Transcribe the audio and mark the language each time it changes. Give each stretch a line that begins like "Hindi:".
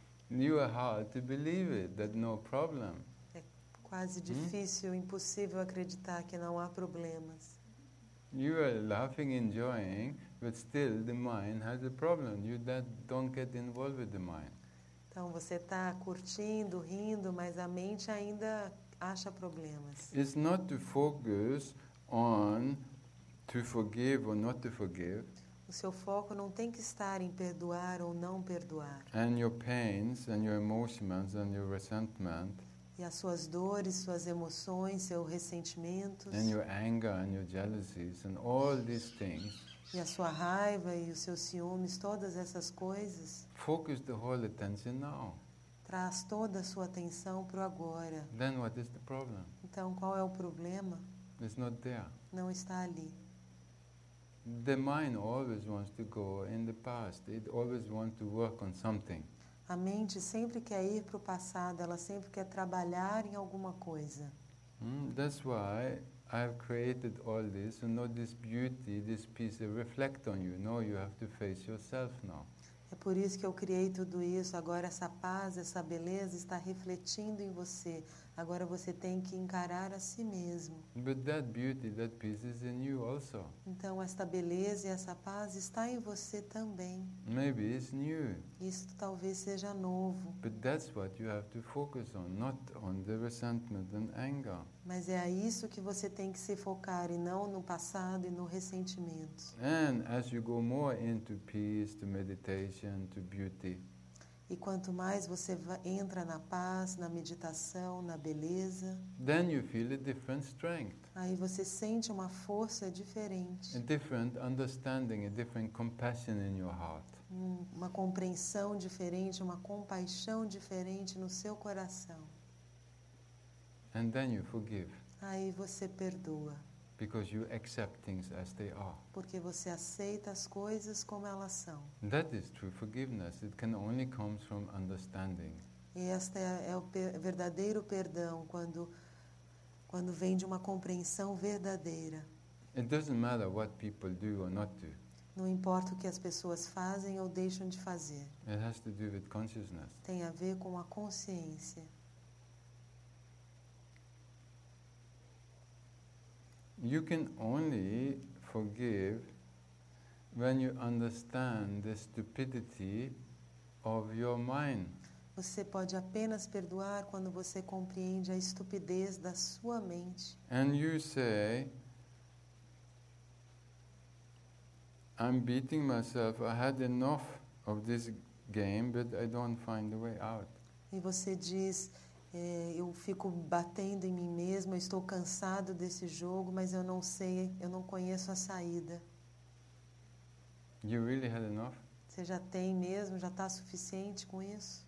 English: You are hard to believe it, that no problem.
Portuguese: É quase difícil, impossível acreditar que não há problemas.
English: You are laughing, enjoying, but still the mind has a problem. You don't get involved with the mind.
Portuguese: Então você está curtindo, rindo, mas a mente ainda acha problemas.
English: It's not to focus on to forgive or not to forgive.
Portuguese: O seu foco não tem que estar em perdoar ou não perdoar.
English: And your pains and your emotions and your resentment.
Portuguese: E as suas dores, suas emoções, seus ressentimentos.
English: And your anger and your jealousies and all these things.
Portuguese: E a sua raiva e os seus ciúmes, todas essas coisas.
English: Focus the whole attention now.
Portuguese: Traz toda a sua atenção para o agora.
English: Then what is the problem?
Portuguese: Então qual é o problema?
English: It's not there.
Portuguese: Não está ali.
English: The mind always wants to go in the past. It always wants to work on something.
Portuguese: A mente sempre quer ir para o passado. Ela sempre quer trabalhar em alguma coisa.
English: That's why I have created all this, and not this beauty, this piece that reflect on you. No, you have to face yourself now.
Portuguese: É por isso que eu criei tudo isso. Agora essa paz, essa beleza está refletindo em você. Agora você tem que encarar a si mesmo.
English: But that beauty, that peace is in you also.
Portuguese: Então esta beleza e essa paz está em você também.
English: Maybe it's new.
Portuguese: Isso talvez seja novo.
English: But that's what you have to focus on, not on the resentment and anger.
Portuguese: Mas é a isso que você tem que se focar e não no passado e no ressentimento.
English: And as you go more into peace, to meditation, to beauty.
Portuguese: E quanto mais você entra na paz, na meditação, na beleza,
English: then you feel a different strength.
Portuguese: Aí você sente uma força diferente.
English: A different understanding, a different compassion in your heart.
Portuguese: Uma compreensão diferente, uma compaixão diferente no seu coração.
English: And then you forgive.
Portuguese: Aí você perdoa.
English: Because you accept things as they are.
Portuguese: Porque você aceita as coisas como elas são.
English: That is true forgiveness. It can only come from understanding.
Portuguese: E esta é o verdadeiro perdão quando vem de uma compreensão verdadeira.
English: It doesn't matter what people do or not do.
Portuguese: Não importa o que as pessoas fazem ou deixam de fazer.
English: It has to do with consciousness.
Portuguese: Tem a ver com a consciência.
English: You can only forgive when you understand the stupidity of your mind.
Portuguese: Você pode apenas perdoar quando você compreende a estupidez da sua mente.
English: And you say, I'm beating myself. I had enough of this game, but I don't find a way out.
Portuguese: E você diz, eu fico batendo em mim mesmo, estou cansado desse jogo, mas eu não sei, eu não conheço a saída. You really had enough? Você já tem mesmo, já está suficiente com isso?